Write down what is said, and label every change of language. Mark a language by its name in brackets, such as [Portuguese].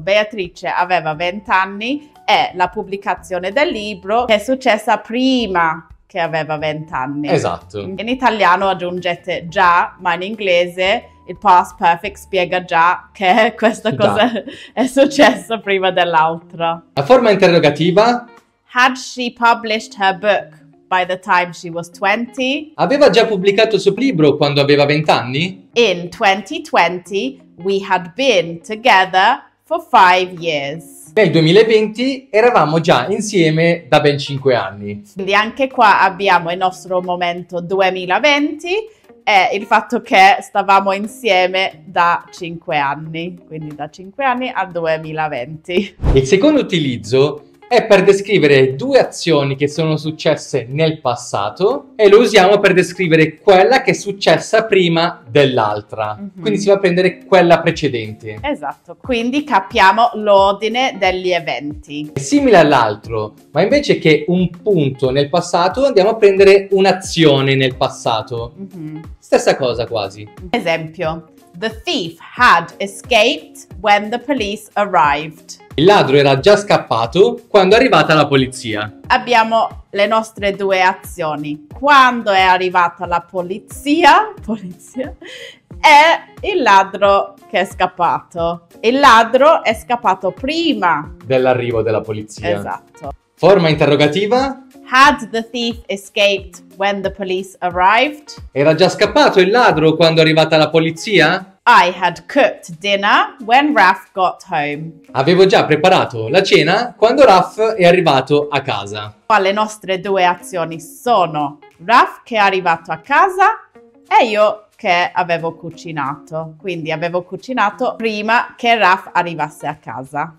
[Italian] Beatrice aveva 20 anni e la pubblicazione del libro che è successa prima che aveva 20 anni. Esatto. In italiano aggiungete già, ma in inglese il past perfect spiega già che questa cosa è successa prima dell'altra. La forma interrogativa? [English] Had she published her book by the time she was 20? [Italian] Aveva già pubblicato il suo libro quando aveva 20 anni? [English] In 2020 we had been together for 5 years. [Italian] Nel 2020 eravamo già insieme da ben 5 anni. Quindi anche qua abbiamo il nostro momento 2020 e il fatto che stavamo insieme da 5 anni. Quindi da 5 anni al 2020. Il secondo utilizzo è per descrivere due azioni che sono successe nel passato e lo usiamo per descrivere quella che è successa prima dell'altra. Mm-hmm. Quindi si va a prendere quella precedente. Esatto, quindi capiamo l'ordine degli eventi. È simile all'altro, ma invece che un punto nel passato andiamo a prendere un'azione nel passato. Mm-hmm. Stessa cosa quasi. Esempio, [English] the thief had escaped when the police arrived. [Italian] Il ladro era già scappato quando è arrivata la polizia. Abbiamo le nostre due azioni. Quando è arrivata la polizia, e il ladro che è scappato. Il ladro è scappato prima dell'arrivo della polizia. Esatto. Forma interrogativa? [English] Had the thief escaped when the police arrived? [Italian] Era già scappato il ladro quando è arrivata la polizia? [English] I had cooked dinner when Raf got home. [Italian] Avevo già preparato la cena quando Raf è arrivato a casa. Qua le nostre due azioni sono Raf che è arrivato a casa e io che avevo cucinato. Quindi avevo cucinato prima che Raf arrivasse a casa.